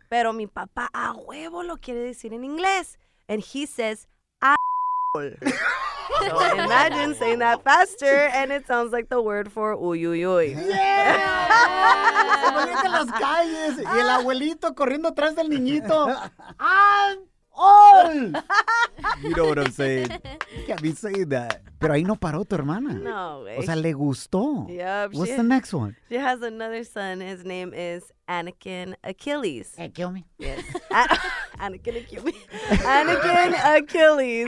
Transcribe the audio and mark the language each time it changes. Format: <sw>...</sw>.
<es>Pero mi papá a huevo lo quiere decir en inglés.</es> <en>And he says, a-hole. So imagine saying that faster, and it sounds like the word for uyuyuy.</en> <es>Yeah! Se ponen en las calles, y el abuelito corriendo atrás del niñito.</es> <en>A-hole! You know what I'm saying. You can't be saying that.</en> <es>Pero ahí no paró tu hermana. No, güey. O sea, le gustó.</es> <en>Yep. What's the next one? She has another son. His name is Anakin Achilles. Hey, kill me. Yes. Anakin Achilles. Anakin Achilles.</en>